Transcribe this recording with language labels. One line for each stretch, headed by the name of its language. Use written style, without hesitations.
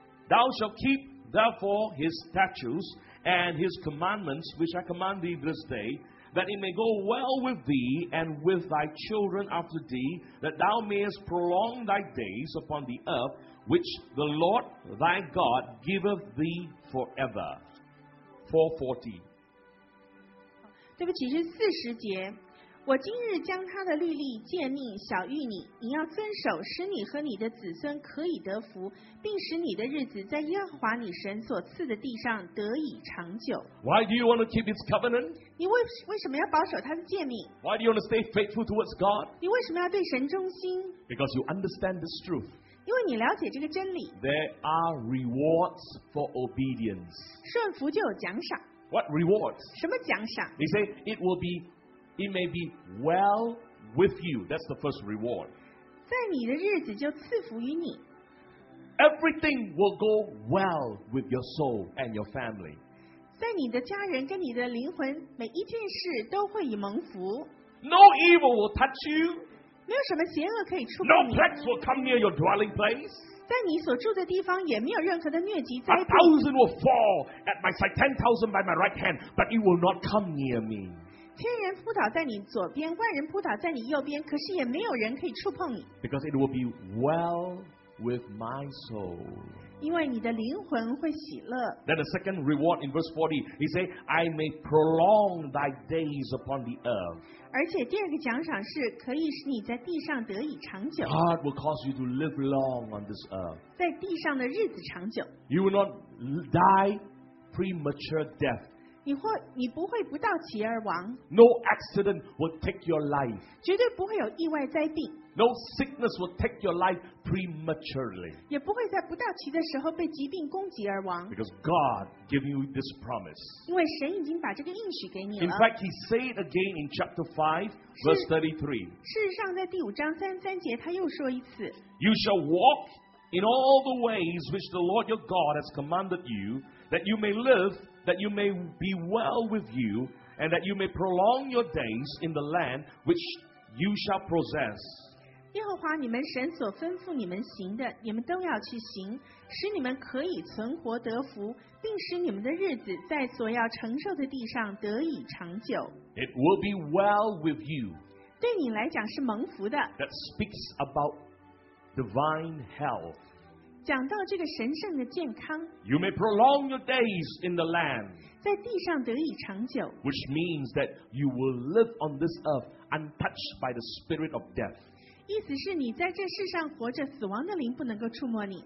English: Thou shalt keep therefore his statutes and his commandments which I command thee this day. That it may go well with thee and with thy children after thee, that thou mayest prolong thy days upon the earth, which the Lord thy God giveth thee forever. 440.
Chinese: 对不起，是四十节。我今日将他的律例诫命晓谕你，你要遵守，使你和你的子孙可以得福，并使你的日子在耶和华你神所赐的地上得以长久。
English: Why do you want to keep His covenant?
Chinese: 你为什么要保守他的诫命？
English: Why do you want to stay faithful towards God?
Chinese: 你为什么要对神忠心？
English: Because you understand this truth.
Chinese: 因为你了解这个真理。
English: There are rewards for obedience.
Chinese: 顺服就有奖赏。
English: What rewards?
Chinese: 什么奖赏？
English: He say it will be, it may be well with you. That's the first reward.
Chinese: 在你的日子就赐福于你。
English: Everything will go well with your soul and your family.
Chinese: 在你的家人跟你的灵魂，每一件事都会以蒙福。
English: No evil will touch you.
Chinese: 没有什么邪恶可以触碰你。
English: No plague will come near your dwelling place.
Chinese: 在你所住的地方也没有任何的疟疾灾病。
English: A thousand will fall at my side, 10,000 by my right hand, but it will not come near me.
Chinese: 千人扑倒在你左边，万人扑倒在你右边，可是也没有人可以触碰你。
English: Because it will be well with my soul.
Chinese: 因为你的灵魂会喜乐。
English: Then the second reward in verse 40, he says, I may prolong thy days upon the earth.
Chinese: 而且第二个奖赏是可以使你在地上得以长久。
English: God will cause you to live long on this earth.
Chinese: 在地上的日子长久。
English: You will not die premature death.
Chinese: 你不会不到期而亡。
English: No accident will take your life.
Chinese: 绝对不会有意外灾病。
English: No sickness will take your life prematurely.
Chinese: 也不会在不到期的时候被疾病攻击而亡。
English: Because God gave you this promise.
Chinese: 因为神已经把这个应许给你了。
English: In fact, He said again in chapter 5, verse 33.
Chinese: 事实上在第五章三三节他又说一次。
English: You shall walk in all the ways which the Lord your God has commanded you, that you may live, that you may be well with you, and that you may prolong your days in the land which you shall possess.
Chinese: 耶和华你们神所吩咐你们行的，你们都要去行，使你们可以存活得福，并使你们的日子在所要承受的地上得以长久。
English: It will be well with you.
Chinese: 对你来讲是蒙福的。
English: That speaks about divine health.
Chinese: 讲到这个神圣的健康。
English: You may prolong your days in the land.
Chinese: 在地上得以长久。
English: Which means that you will live on this earth untouched by the spirit of death.
Chinese: 意思是你在这世上活着，死亡的灵不能够触摸你。